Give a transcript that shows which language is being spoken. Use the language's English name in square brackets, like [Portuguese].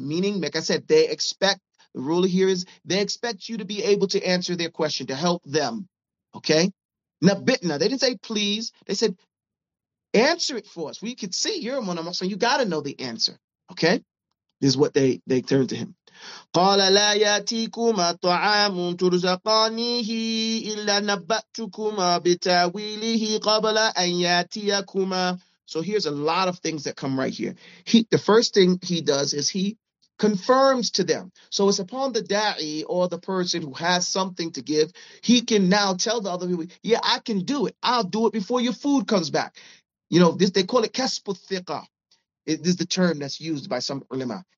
[English] Meaning, like I said, they expect, the rule here is they expect you to be able to answer their question, to help them. Okay. Nabitna. They didn't say please. They said, answer it for us. We could see you're a muhsinin. You got to know the answer. Okay. This is what they turned to him. [Arabic] قال لا ياتيكما طعام ترزقانيه إلا نبأتكما بتأويله قبل أن ياتيكما. [English] So here's a lot of things that come right here. The first thing he does is he confirms to them. So it's upon the da'i or the person who has something to give. He can now tell the other people, yeah, I can do it. I'll do it before your food comes back. You know, this they call it kasb al-thiqa. It is the term that's used by some ulama.